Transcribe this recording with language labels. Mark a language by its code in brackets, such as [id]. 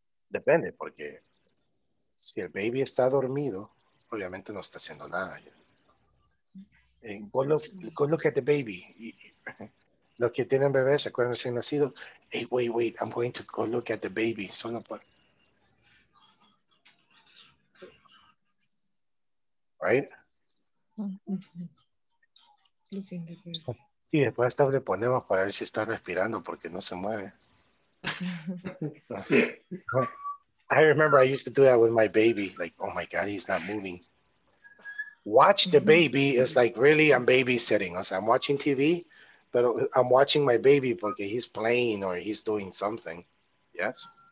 [es] Depende, porque si el baby está dormido, obviamente no está haciendo nada. [en] Go look at the baby. [es] Los que tienen bebés, ¿se acuerdan recién nacido? [en] Hey, wait, I'm going to go look at the baby. [es] Solo por... [en] Right? [es] Y después hasta le ponemos para ver si está respirando porque no se mueve. [en] I remember I used to do that with my baby. Like, oh my God, he's not moving. Watch the baby is like, really, I'm babysitting. [es] O sea, [en] I'm watching TV, but I'm watching my baby because he's playing or he's doing something. Yes?